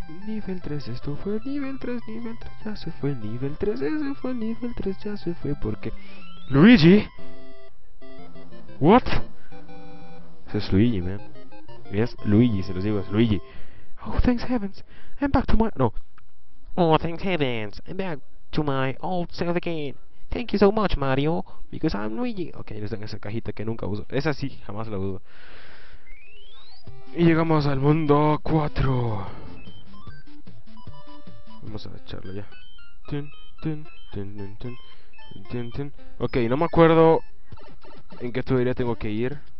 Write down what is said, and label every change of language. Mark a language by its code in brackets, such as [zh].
[es] Nivel 3, esto fue el nivel 3, nivel 3. Ya se fue el nivel 3, ese fue el nivel 3, ya se fue porque... ¡Luigi! ¿What? Ese es Luigi, man. Es Luigi, se los digo, es Luigi. [en] Oh, thanks heavens. I'm back to my... No. Oh, thanks heavens. I'm back to my old self again. Thank you so much, Mario. Because I'm Luigi. [es] Ok, les dan esa cajita que nunca uso. Esa sí, jamás la uso. Y llegamos al mundo 4. Vamos a echarlo ya. Tin, tin, tin, tin, tin. Ok, no me acuerdo en qué tubería tengo que ir.